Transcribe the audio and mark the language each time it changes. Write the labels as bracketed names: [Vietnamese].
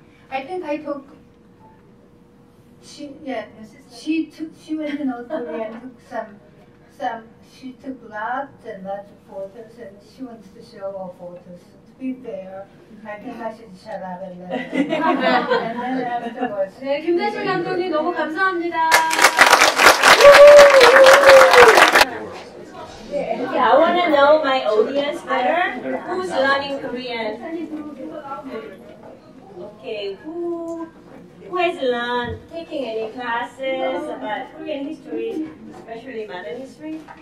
[English] I think I took, she went to North Korea and took some, she took lots and lots of photos, and she wants to show her photos. To be fair, I think I should shut up and then afterwards. [Korean] 네, 김대중 감독님 너무 감사합니다. [English] Yeah, I want to know my audience better. Who's learning Korean? Okay, who has learned, taking any classes about Korean history, especially modern history?